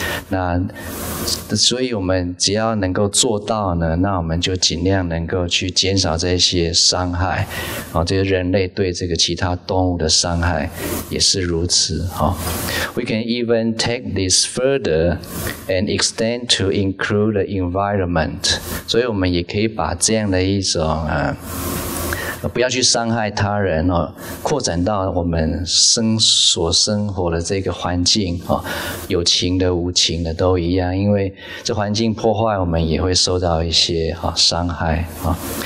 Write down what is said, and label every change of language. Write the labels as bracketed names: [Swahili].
[Chinese] 那所以我们只要能够做到呢，那我们就尽量能够去减少这些伤害啊，这些人类对这个其他动物的伤害也是如此啊。 [English] We can even take this further and extend to include the environment. [Chinese] 所以我们也可以把这样的一种不要去伤害他人哦，扩展到我们所生活的这个环境哦，有情的、无情的都一样，因为这环境破坏，我们也会受到一些伤害啊。